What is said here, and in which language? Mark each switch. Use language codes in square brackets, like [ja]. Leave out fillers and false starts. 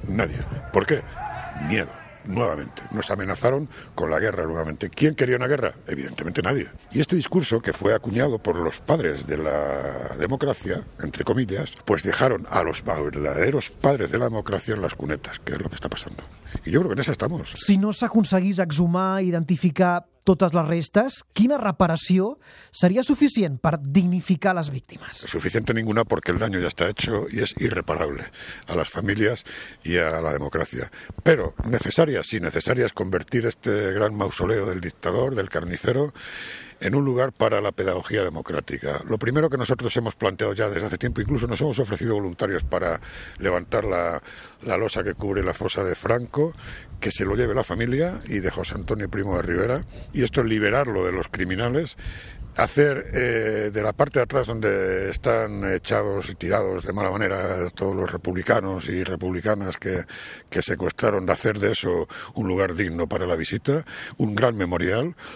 [es] Nadie. ¿Por qué? Miedo. Nuevamente. Nos amenazaron con la guerra nuevamente. ¿Quién quería una guerra? Evidentemente nadie. Y este discurso, que fue acuñado por los padres de la democracia, entre comillas, pues dejaron a los verdaderos padres de la democracia en las cunetas, que es lo que está pasando. Y yo creo que en esa estamos. [ca] Si no s'aconseguís exhumar, identificar totes les restes, quina reparació seria suficient per dignificar les víctimes? [es] Suficiente ninguna, porque el daño ya está hecho y es irreparable a las familias y a la democracia. Pero necesaria, sí, necesaria es convertir este gran mausoleo del dictador, del carnicero, en un lugar para la pedagogía democrática. Lo primero que nosotros hemos planteado ya desde hace tiempo, incluso nos hemos ofrecido voluntarios para levantar la losa que cubre la fosa de Franco, que se lo lleve la familia y de José Antonio Primo de Rivera, y esto es liberarlo de los criminales, hacer de la parte de atrás donde están echados y tirados de mala manera todos los republicanos y republicanas que secuestraron, de hacer de eso un lugar digno para la visita, un gran memorial